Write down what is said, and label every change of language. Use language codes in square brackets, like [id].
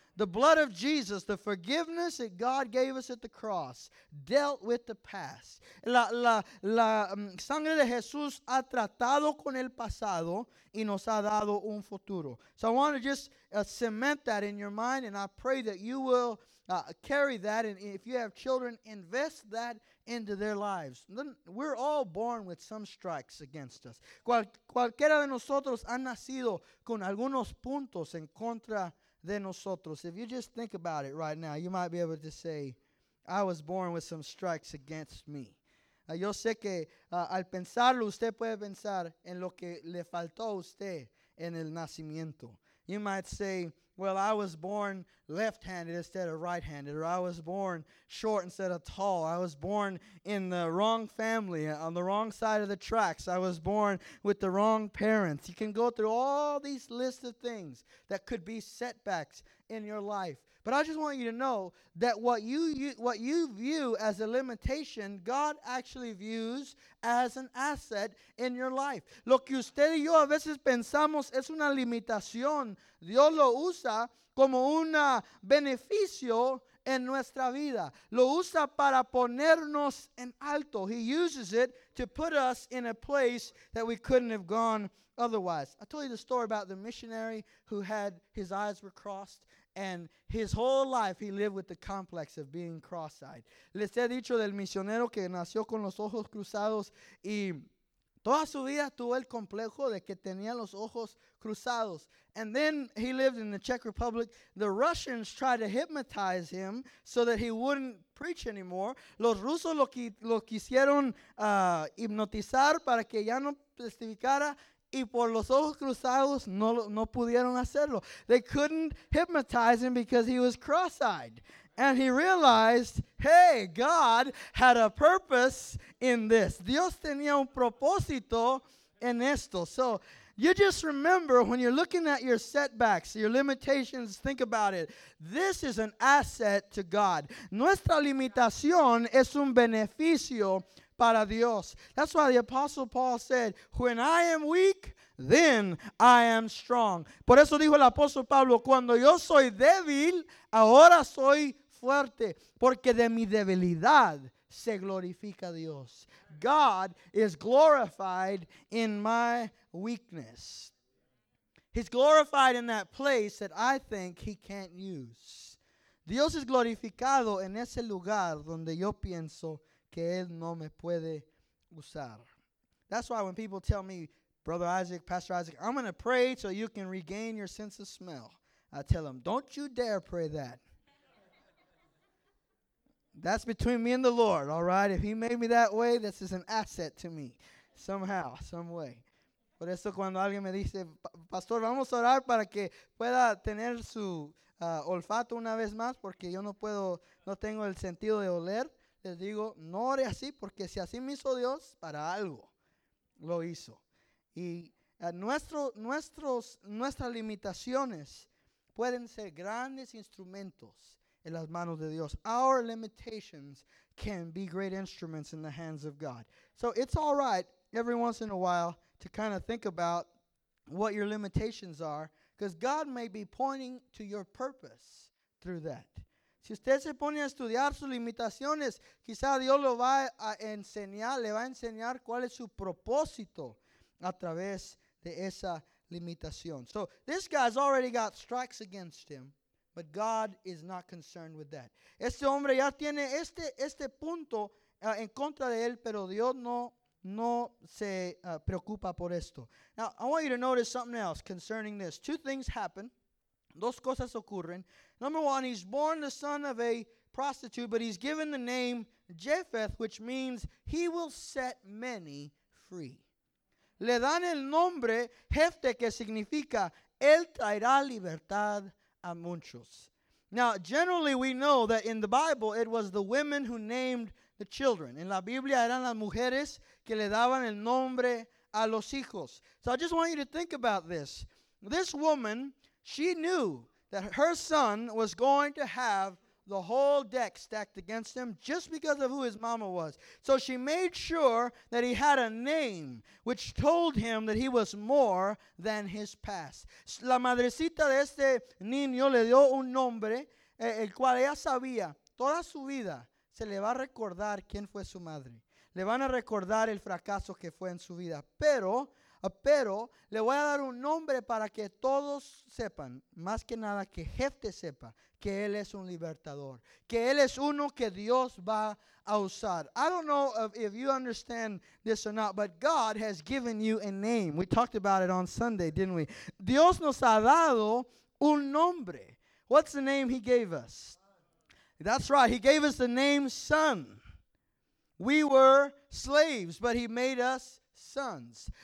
[en] The blood of Jesus, the forgiveness that God gave us at the cross, dealt with the past. [es] La sangre de Jesús ha tratado con el pasado y nos ha dado un futuro. [en] So I want to just cement that in your mind, and I pray that you will carry that. And if you have children, invest that into their lives. We're all born with some strikes against us. [es] Cualquiera de nosotros ha nacido con algunos puntos en contra de nosotros. [en] If you just think about it right now, you might be able to say, I was born with some strikes against me. [es] Yo sé que al pensarlo, usted puede pensar en lo que le faltó a usted en el nacimiento. [en] You might say, well, I was born left-handed instead of right-handed, or I was born short instead of tall. I was born in the wrong family, on the wrong side of the tracks. I was born with the wrong parents. You can go through all these lists of things that could be setbacks in your life. But I just want you to know that what you view as a limitation, God actually views as an asset in your life. [es] Lo que usted y yo a veces pensamos es una limitación, Dios lo usa como un beneficio en nuestra vida. Lo usa para ponernos en alto. [en] He uses it to put us in a place that we couldn't have gone otherwise. I told you the story about the missionary who had his eyes were crossed. And his whole life he lived with the complex of being cross-eyed. [es] Les he dicho del misionero que nació con los ojos cruzados y toda su vida tuvo el complejo de que tenía los ojos cruzados. [en] And then he lived in the Czech Republic. The Russians tried to hypnotize him so that he wouldn't preach anymore. [es] Los rusos lo quisieron hipnotizar para que ya no testificara. Y por los ojos cruzados no pudieron hacerlo. [en] They couldn't hypnotize him because he was cross-eyed. And he realized, hey, God had a purpose in this. [es] Dios tenía un propósito en esto. [en] So you just remember when you're looking at your setbacks, your limitations, think about it. This is an asset to God. [es] Nuestra limitación es un beneficio para Dios. [en] That's why the Apostle Paul said, when I am weak, then I am strong. [es] Por eso dijo el Apóstol Pablo, cuando yo soy débil, ahora soy fuerte. Porque de mi debilidad se glorifica Dios. [en] God is glorified in my weakness. He's glorified in that place that I think he can't use. [es] Dios es glorificado en ese lugar donde yo pienso que él no me puede usar. [en] That's why when people tell me, Brother Isaac, Pastor Isaac, I'm going to pray so you can regain your sense of smell, I tell them, don't you dare pray that. That's between me and the Lord, all right? If he made me that way, this is an asset to me, somehow, some way. [es] Por eso cuando alguien me dice, Pastor, vamos a orar para que pueda tener su olfato una vez más, porque yo no tengo el sentido de oler. Les digo, no ore así, porque si así me hizo Dios, para algo lo hizo. Y nuestras limitaciones pueden ser grandes instrumentos en las manos de Dios. [en] Our limitations can be great instruments in the hands of God. So it's all right every once in a while to kind of think about what your limitations are, because God may be pointing to your purpose through that. [es] Si usted se pone a estudiar sus limitaciones, quizá Dios lo va a enseñar, le va a enseñar cuál es su propósito a través de esa limitación. [en] So, this guy's already got strikes against him, but God is not concerned with that. [es] Este hombre ya tiene este punto en contra de él, pero Dios no, no se preocupa por esto. [en] Now, I want you to notice something else concerning this. Two things happen. [es] Dos cosas ocurren. [en] Number one, he's born the son of a prostitute, but he's given the name Jephthah, which means he will set many free. [es] Le dan el nombre Jephthah, que significa él traerá libertad a muchos. [en] Now, generally, we know that in the Bible, it was the women who named the children. [es] En la Biblia, eran las mujeres que le daban el nombre a los hijos. [en] So I just want you to think about this. This woman, she knew that her son was going to have the whole deck stacked against him just because of who his mama was. So she made sure that he had a name which told him that he was more than his past. [es] La madrecita de este niño le dio un nombre el cual ella sabía toda su vida se le va a recordar quién fue su madre. Le van a recordar el fracaso que fue en su vida. Pero le voy a dar un nombre para que todos sepan, más que nada que Jephthah sepa, que él es un libertador, que él es uno que Dios va a usar. [en] I don't know if you understand this or not, but God has given you a name. We talked about it on Sunday, didn't we? [es] Dios nos ha dado un nombre. [en] What's the name he gave us? That's right. He gave us the name son. We were slaves, but he made us sons.